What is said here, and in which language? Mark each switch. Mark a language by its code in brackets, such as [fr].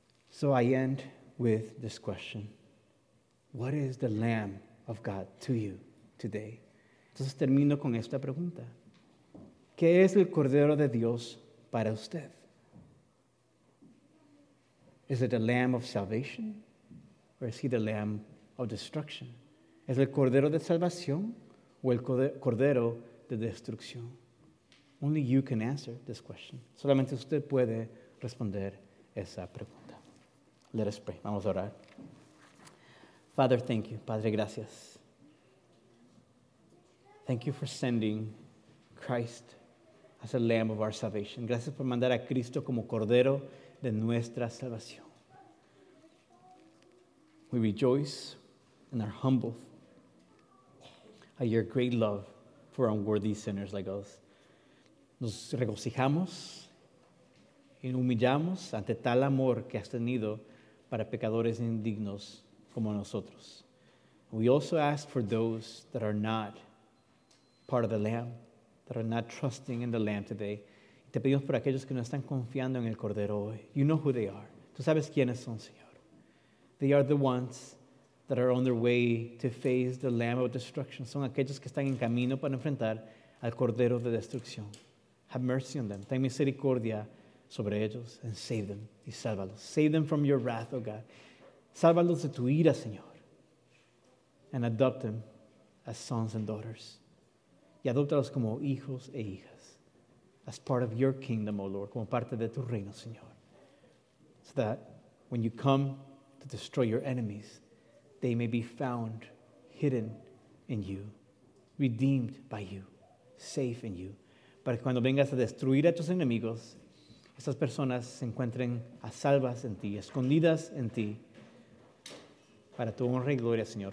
[en] So I end with this question. What is the Lamb of God to you today? [es] Entonces termino con esta pregunta. ¿Qué es el Cordero de Dios para usted? [en] Is it the Lamb of salvation? Or is he the Lamb of destruction? [es] ¿Es el Cordero de salvación o el Cordero de destrucción? [en] Only you can answer this question. [es] Solamente usted puede responder esa pregunta. [en] Let us pray. [es] Vamos a orar. [en] Father, thank you. [es] Padre, gracias. [en] Thank you for sending Christ as a Lamb of our salvation. [es] Gracias por mandar a Cristo como Cordero de nuestra salvación. [en] We rejoice and are humbled at your great love for unworthy sinners like us. [es] Nos regocijamos y nos humillamos ante tal amor que has tenido para pecadores indignos como nosotros. [en] We also ask for those that are not part of the Lamb, that are not trusting in the Lamb today. [es] Te pedimos por aquellos que no están confiando en el Cordero hoy. [en] You know who they are. [es] Tú sabes quiénes son, Señor. [en] They are the ones that are on their way to face the Lamb of destruction. [es] Son aquellos que están en camino para enfrentar al Cordero de destrucción. [en] Have mercy on them. [es] Ten misericordia sobre ellos, [en] and save them, [es] y sálvalos. [en] Save them from your wrath, oh God. [es] Sálvalos de tu ira, Señor. [en] And adopt them as sons and daughters. [es] Y adóptalos como hijos e hijas. [en] As part of your kingdom, oh Lord, [es] como parte de tu reino, Señor. [en] So that when you come to destroy your enemies, they may be found hidden in you, redeemed by you, safe in you. [es] Para que cuando vengas a destruir a tus enemigos, estas personas se encuentren a salvas en ti, escondidas en ti, para tu honra y gloria, Señor.